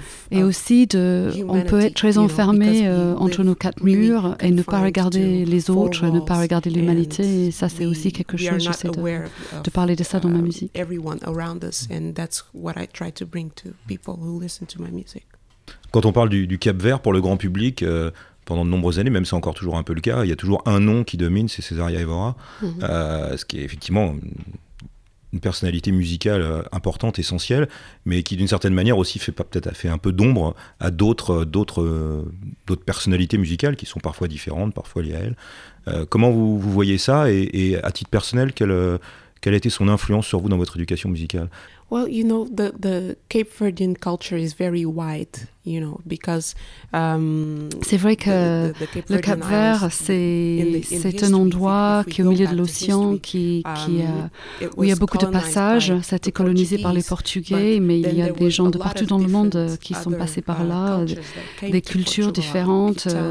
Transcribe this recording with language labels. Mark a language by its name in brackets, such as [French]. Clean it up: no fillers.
[French] Et aussi, on peut être très enfermé entre nos quatre murs et ne pas regarder les autres, ne pas regarder l'humanité. Et ça, c'est aussi quelque chose, j'essaie de parler de ça dans ma musique. [English] Everyone around us, and that's what I try to bring to people who listen to my music. [French] Quand on parle du Cap-Vert pour le grand public, pendant de nombreuses années, même si c'est encore toujours un peu le cas, il y a toujours un nom qui domine, c'est Cesária Évora, ce qui est effectivement une personnalité musicale importante, essentielle, mais qui d'une certaine manière aussi fait un peu d'ombre à d'autres personnalités musicales qui sont parfois différentes, parfois liées à elle. Comment vous voyez ça et à titre personnel, quelle a été son influence sur vous dans votre éducation musicale? [English] Well, you know, the Cape Verdean culture is very wide, you know, because [French] c'est vrai que le Cap Vert, c'est un endroit qui est au milieu de l'océan, où il y a beaucoup de passages. Ça a été colonisé par les Portugais, mais il y a des gens de partout dans le monde qui sont passés par là, des cultures différentes.